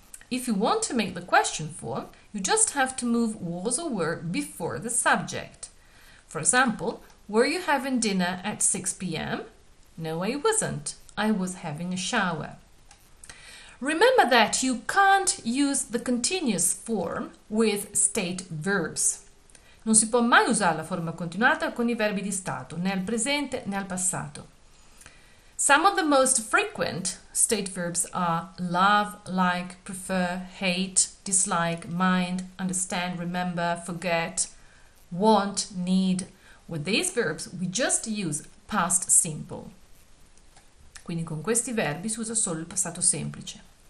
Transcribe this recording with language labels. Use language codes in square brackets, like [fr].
[en] If you want to make the question form, you just have to move was or were before the subject. For example, were you having dinner at 6 p.m? No, I wasn't. I was having a shower. Remember that you can't use the continuous form with state verbs. [it] Non si può mai usare la forma continuata con i verbi di stato, né al presente né al passato. [en] Some of the most frequent state verbs are love, like, prefer, hate, dislike, mind, understand, remember, forget, want, need. With these verbs, we just use past simple. [it] Quindi con questi verbi si usa solo il passato semplice.